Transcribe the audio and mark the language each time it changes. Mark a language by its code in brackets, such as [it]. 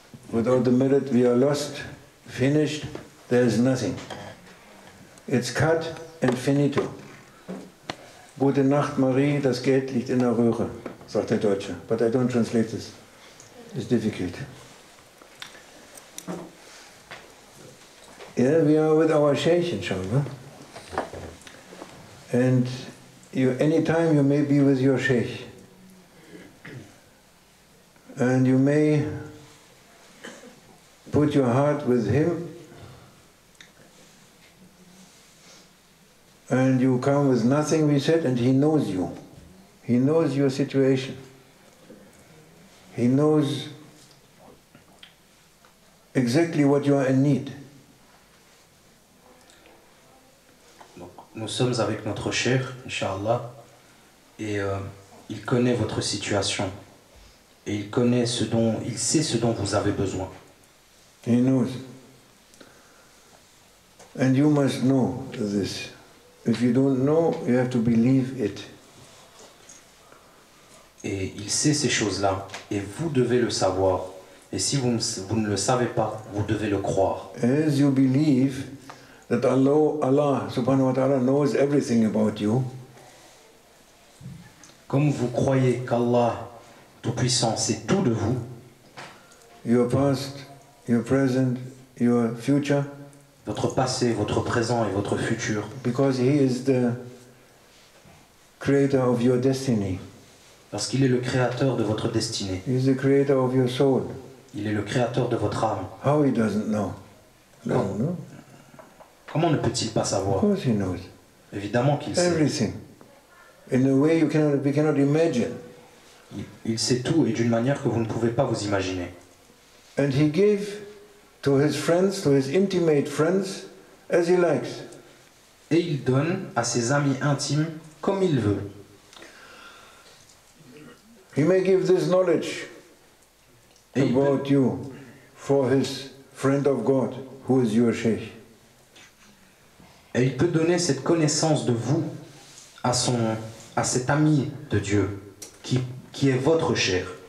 [en] Without the merit, we are lost, finished, there is nothing. It's cut and finito. [de] Gute Nacht, Marie, das Geld liegt in der Röhre, sagt der Deutsche. [en] But I don't translate this. It's difficult. Yeah, we are with our Sheikh, inshallah. And you, anytime you may be with your Sheikh. And you may put your heart with him, and you come with nothing, we said, and he knows you. He knows your situation. He knows exactly what you are in need. [fr] Donc, nous sommes avec notre cher, Inch'Allah, et il connaît votre situation. Et il connaît ce dont il sait ce dont vous avez besoin. [en] He knows. And you must know this. If you don't know, you have to believe it. [fr] Et il sait ces choses-là et vous devez le savoir. Et si vous ne le savez pas, vous devez le croire. [en] As you believe that Allah subhanahu wa ta'ala knows everything about you. [fr] Comme vous croyez qu'Allah tout puissant, c'est tout de vous. [en] Your past, your present, your future. [fr] Votre passé, votre présent et votre futur. [en] Because he is the creator of your destiny. [fr] Parce qu'il est le créateur de votre destinée. [en] He is the creator of your soul. [fr] Il est le créateur de votre âme. [en] How he doesn't know? [fr] Comment? Comment ne peut-il pas savoir? [en] Of course he knows. [fr] Évidemment qu'il [en] Everything. [fr] Sait. [en] In a way we cannot imagine. [fr] Il sait tout et d'une manière que vous ne pouvez pas vous imaginer. [en] And he gave to his friends, to his intimate friends, as he likes. [fr] Et il donne à ses amis intimes comme il veut. [en] He may give this knowledge about you for his friend of God, who is your sheikh. [fr] Et il peut donner cette connaissance de vous à son, à cet ami de Dieu qui est votre cheikh.